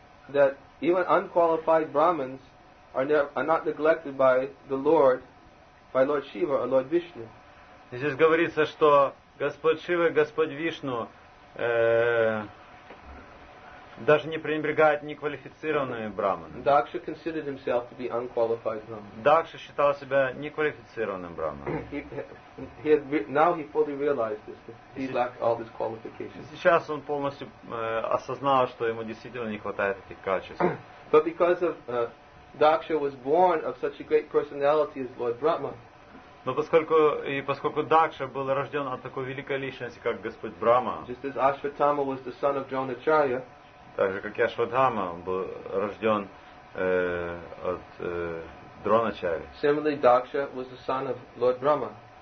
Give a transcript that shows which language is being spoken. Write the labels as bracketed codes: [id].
[en] That even unqualified Brahmins are not neglected by the Lord, by Lord Shiva or Lord Vishnu. [ru] Здесь говорится, что Господь Шива и Господь Вишну даже не пренебрегают неквалифицированными брахманами. [en] Дакша considered himself to be unqualified brahman. [ru] Дакша считал себя неквалифицированным брахманом. [en] Now he fully realized this. He lacked all these qualifications. [ru] Сейчас он полностью осознал, что ему действительно не хватает этих качеств. [en] But because of Дакша was born of such a great personality as Lord Brahma. [ru] Но поскольку Дакша был рожден от такой великой личности, как Господь Брахма, [en] just as Ашватхама was the son of Дроначарья, [ru] так же как и Ашватхама был рожден от Дроначарьи, [en] similarly Дакша was the son of Lord Brahma.